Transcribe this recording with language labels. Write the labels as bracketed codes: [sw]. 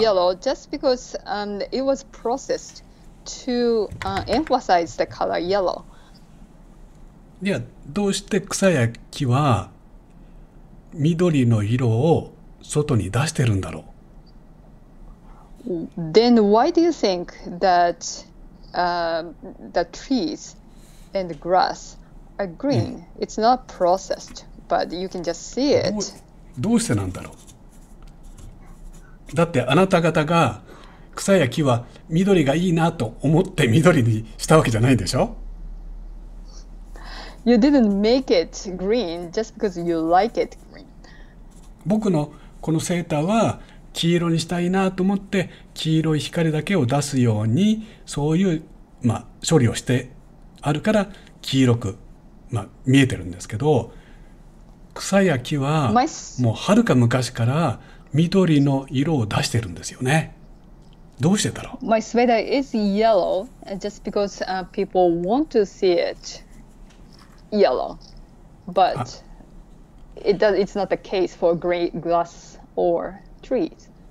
[en] so、my sweater looks yellow just because it was processed to emphasize the color yellow. [ja] じゃあどうして草や木は緑の色を外に出してるんだろう。 [en] Then why do you think that the trees and the grass are green?、It's not processed, but you can just see it. [ja] どうしてなんだろう。だってあなた方が草や木は緑がいいなと思って緑にしたわけじゃないでしょ。 [en] You didn't make it green just because you like it green. [ja] 僕のこのセーターは黄色にしたいなと思って、黄色い光だけを出すようにそういう、まあ、処理をしてあるから黄色く、まあ、見えてるんですけど、草や木はもうはるか昔から緑の色を出してるんですよね。どうしてだろう。 [en] My sweater is yellow just because people want to see it yellow, butIt's not the case for green grass or trees.